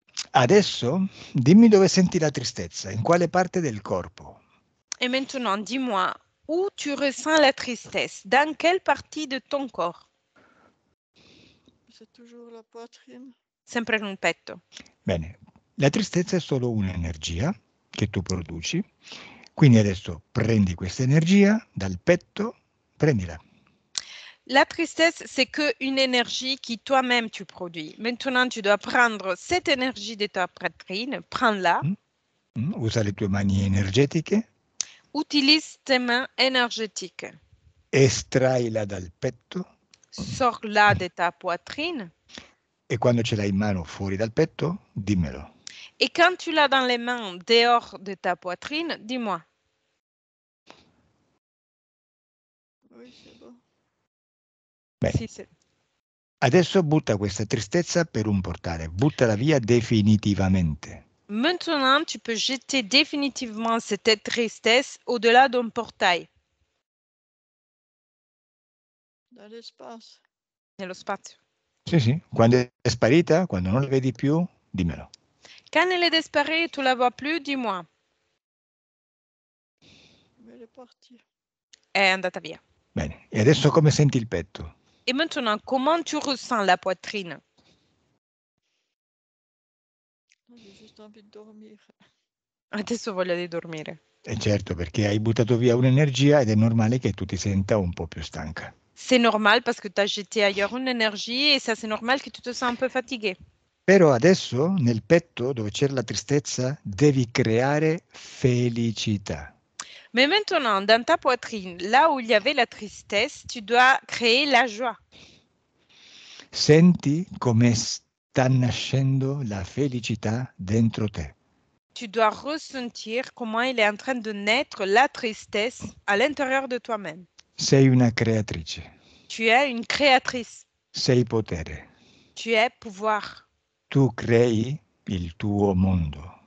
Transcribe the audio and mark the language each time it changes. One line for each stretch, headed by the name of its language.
Italian: Adesso dimmi dove senti la tristezza, in quale parte del corpo.
French: E maintenant, dis-moi, où tu ressens la tristesse, dans quelle partie de ton corps? C'est toujours la poitrine.
Italian: sempre in un petto. Bene, la tristezza è solo un'energia che tu produci, quindi adesso prendi questa energia dal petto, prendila.
French: La tristesse, c'est que une énergie qui toi-même tu produis. Maintenant, tu dois prendre cette énergie de ta poitrine, prends-la.
Italian: Usa le tue mani energetiche.
French: Utilise tes mains énergétiques.
Italian: Estraila dal petto.
French: Sors-la de ta poitrine.
Italian: E quando ce l'hai in mano fuori dal petto, dimmelo.
French: Et quand tu l'as dans les mains dehors de ta poitrine, dis-moi. Oui, c'est bon.
Italian: Beh, sì, sì. Adesso butta questa tristezza per un portale, buttala via definitivamente.
French: Maintenant, tu peux jeter définitivement cette tristesse au-delà d'un portail. Dans l'espace.
Italian: Nello spazio. Sì, sì. Quando è sparita, quando non la vedi più, dimmelo.
French: Quand elle est disparue et tu la vois plus, dis-moi. Elle est partie.
Italian: È andata via. Bene. E adesso come senti il petto?
French: Et maintenant, comment tu ressens la poitrine? J'ai juste envie de dormir.
Italian: Adesso voglio di dormire. E certo, perché hai buttato via un'energia ed è normale che tu ti senta un po' più stanca.
French: C'est normal parce que tu as jeté ailleurs une énergie et ça c'est normal que tu te sens un peu fatigué.
Italian: Però adesso, nel petto, dove c'era la tristezza, devi creare felicità.
French: Mais maintenant, dans ta poitrine, là où il y avait la tristesse, tu dois créer la joie.
Italian: Senti come sta nascendo la felicità dentro te.
French: Tu dois ressentir comment il est en train de naître la tristesse à l'intérieur de toi-même.
Italian: Sei una creatrice.
French: Tu es une créatrice.
Italian: Sei potere.
French: Tu es pouvoir.
Italian: Tu crei il tuo mondo.